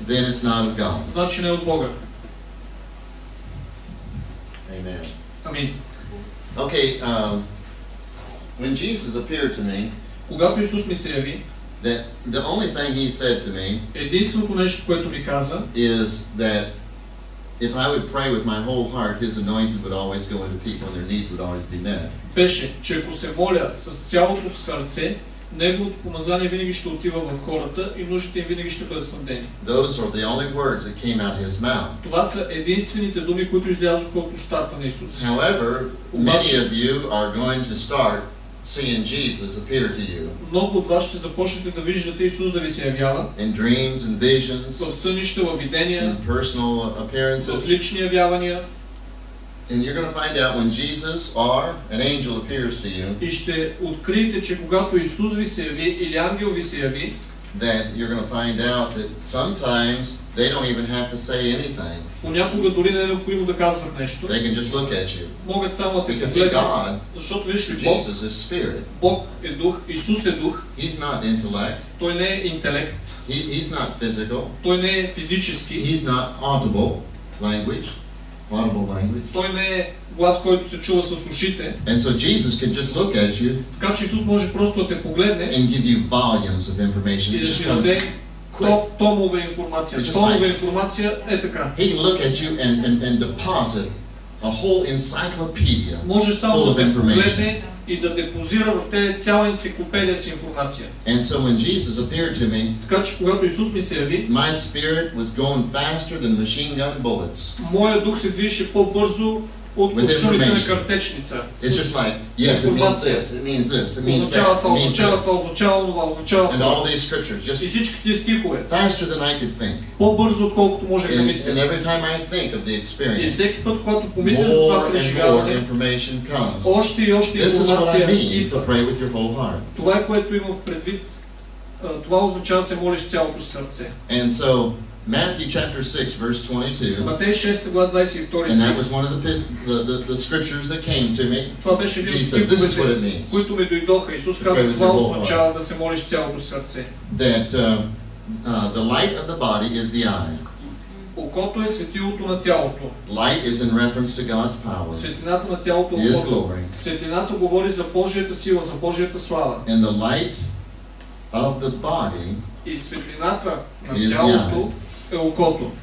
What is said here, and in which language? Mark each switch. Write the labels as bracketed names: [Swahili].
[English] then it's not of God. [Bulgarian] Значи не е от Бога. [English] Amen. [Bulgarian] Амин. [English] Okay, when Jesus appeared to me, [Bulgarian] когато Исус ми се яви, [English] the only thing he said to me, [Bulgarian] единственото нещо, което ми каза, [English] is that if I would pray with my whole heart, his anointing would always go into people and their needs would always be met. [Bulgarian] Беше, че ако се моля с цялото сърце, неговото помазание винаги ще отива в хората и нуждите им винаги ще бъдат снабдени. [English] Those are the only words that came out of his mouth. [Bulgarian] Това са единствените думи, които излязоха от устата на Исус. [English] However, many of you are going to start seeing Jesus appear to you. [Bulgarian] Много от вас ще започнете да виждате Исус да ви се явява. [English] In dreams and visions. [Bulgarian] В сънища, във видения. [English] In personal appearances. [Bulgarian] В лични явявания. [English] And you're going to find out when Jesus or an angel appears to you. [Bulgarian] И ще откриете, че когато Исус ви се яви или ангел ви се яви, [English] then you're going to find out that sometimes they don't even have to say anything. [Bulgarian] Понякога дори не е необходимо да казват нещо. [English] They can just look at you. [Bulgarian] Могат само да те гледат. Защото вижте, [English] Jesus is spirit. [Bulgarian] Бог е дух, Исус е дух. [English] He's not intellect. [Bulgarian] Той не е интелект. [English] He's not physical. [Bulgarian] Той не е физически. [English] He's not audible language. [Bulgarian] Той не е глас, който се чува с ушите. [English] And so Jesus can just look at you. [Bulgarian] Така че Исус може просто да те погледне. [English] And give you volumes of information. [Bulgarian] И да ти даде томове информация. Томове информация е така. [English] He can look at you and deposit a whole encyclopedia full of information. [Bulgarian] И да депозира в тебе цяла енциклопедия с информация. [English] And so when Jesus appeared to me, [Bulgarian] така че когато Исус ми се яви, [English] my spirit was going faster than machine gun bullets. [Bulgarian] Моя дух се движеше по-бързо от пушките на картечница. [English] It's just like, yes, it means this. And all these scriptures, just [Bulgarian] и всички тези стихове, faster than I could think. По-бързо отколкото можех да мисля. And every time I think of the experience, и всеки път, когато помисля за това преживяване, още и още информация идва. Това е което имам в предвид. Това означава се молиш цялото сърце. [English] And so, Matthew chapter 6 verse 22. [Bulgarian] Матей 6 глава 22 стих. [English] And that was one of the scriptures that came to me. [Bulgarian] Това беше един стих, който ми дойдоха. Исус каза, това означава да се молиш цялото сърце. That the light of the body is the eye. Окото е светилото на тялото. Light is in reference to God's power. Светлината на тялото е окото. Светлината говори за Божията сила, за Божията слава. [English] And the light of the body и светлината на тялото е окото.